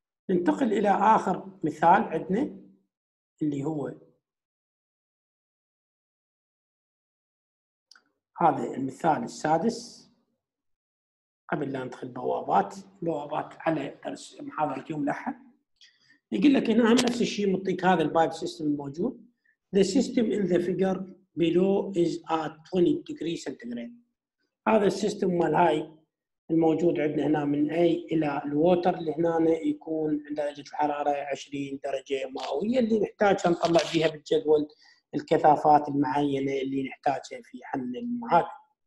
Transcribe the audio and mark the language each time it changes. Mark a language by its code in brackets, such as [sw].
[ar] ننتقل الى اخر مثال عندنا اللي هو هذا المثال السادس قبل لا ندخل بوابات على درس محاضره يوم الاحد. يقول لك هنا هم نفس الشيء مطيك هذا البايب سيستم الموجود. [en] The system in the figure below is at 20 degrees centigrade. [ar] هذا السيستم مال هاي الموجود عندنا هنا من اي الى الووتر اللي هنا يكون عند درجة الحرارة 20 درجة مئوية اللي نحتاجها نطلع بيها بالجدول الكثافات المعينة اللي نحتاجها في حل المعادلة.